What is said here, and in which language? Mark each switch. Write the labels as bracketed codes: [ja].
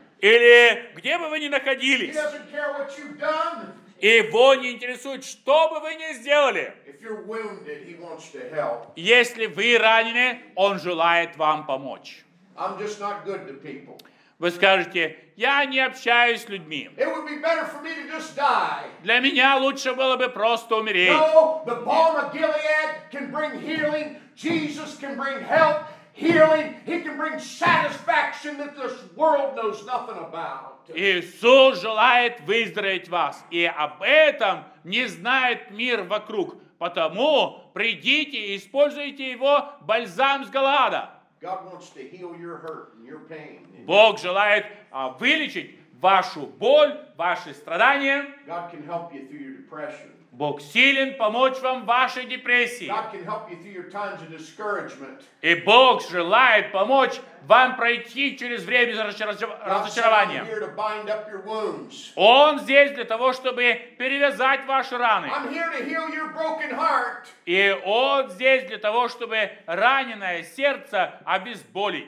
[ru] Или где бы вы ни находились. [en] He doesn't care what you've done. [ru] Его не интересует, что бы вы ни сделали. [en] If you're wounded, he wants to help. [ru] Если вы ранены, он желает вам помочь. [en] I'm just not good to people. [ru] Вы скажете, я не общаюсь с людьми. [en] It would be better for me to just die. [ru] Для меня лучше было бы просто умереть. [en] No, the balm of Gilead can bring healing. Jesus can bring help, healing. He can bring satisfaction that this world knows nothing about. [ru] Иисус желает выздороветь вас, и об этом не знает мир вокруг. Потому придите и используйте его бальзам с Галаада. [en] God wants to heal your hurt and your pain. [ru] Бог желает вылечить вашу боль, ваши страдания. [en] God can help you through your depression. [ru] Бог силен помочь вам в вашей депрессии. [en] God can help you through your times of discouragement. [ru] И Бог желает помочь вам пройти через время разочарования. [en] I'm here to bind up your wounds. [ru] Он здесь для того, чтобы перевязать ваши раны. [en] I'm here to heal your broken heart. [ru] И он здесь для того, чтобы раненое сердце обезболить.